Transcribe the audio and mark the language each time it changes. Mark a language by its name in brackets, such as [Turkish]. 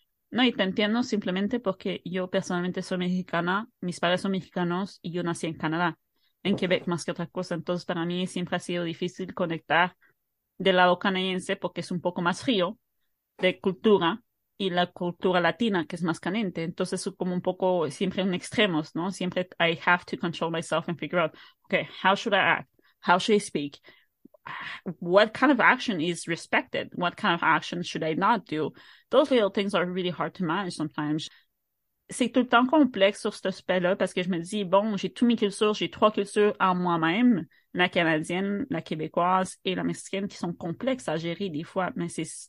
[Spanish] No, y te entiendo simplemente porque yo personalmente soy mexicana, mis padres son mexicanos y yo nací en Canadá, en Quebec más que otra cosa. Entonces para mí siempre ha sido difícil conectar del lado canadiense porque es un poco más frío de cultura y la cultura latina, que es más caliente. Entonces, es como un poco, siempre en extremos, ¿no? Siempre [English] I have to control myself and figure out, okay, how should I act? How should I speak? What kind of action is respected? What kind of action should I not do? Those little things are really hard to manage sometimes. [French] C'est tout le temps complexe sur cet aspect-là parce que je me dis, bon, j'ai toutes mes cultures, j'ai trois cultures en moi-même, la canadienne, la québécoise et la mexicaine qui sont complexes à gérer des fois, mais c'est...